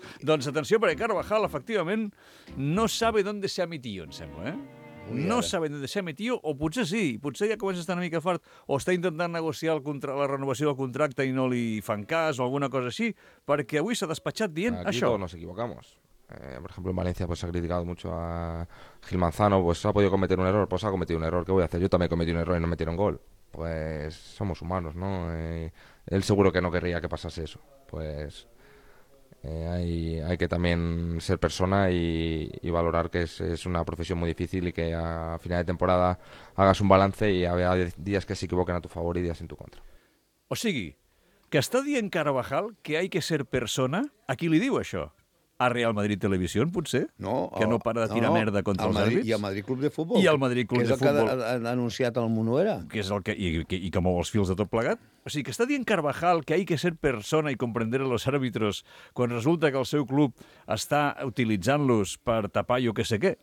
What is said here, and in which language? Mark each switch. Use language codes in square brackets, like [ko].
[ca] Doncs atenció, perquè Carvajal, efectivament, [es] no sabe dónde se ha metido, [ca] em sembla, eh? No saben de ser metió, o potser sí, potser ja comença a estar una mica fart, o està intentant negociar la renovació del contracte i no li fan cas, o alguna cosa així, perquè avui s'ha despatxat dient aquí això. [es] Aquí todos nos equivocamos. Por ejemplo, en Valencia pues, se ha criticado mucho a Gil Manzano, pues ha podido cometer un error, pues ha cometido un error, ¿qué voy a hacer? Yo también cometí un error y no metieron gol. Pues somos humanos, ¿no? Él seguro que no querría que pasase eso, pues... hay que también ser persona y valorar que es una profesión muy difícil y que a final de temporada hagas un balance y haya días que se equivoquen a tu favor y días en tu contra. [ca] O sigui, que està dient Carvajal que [es] hay que ser persona, [ca] a qui li diu això? A Real Madrid Televisió, potser? No. Que no para de tirar merda contra els àrbits? I al Madrid Club de Futbol. I al Madrid Club de Futbol. Que és el que ha anunciat el Monuera. Que és el que... I que mou els fils de tot plegat? O sigui, que està dient Carvajal que [es] hay que ser persona y comprender a los árbitros [ca] quan resulta que el seu club està utilitzant-los per tapar jo què sé què.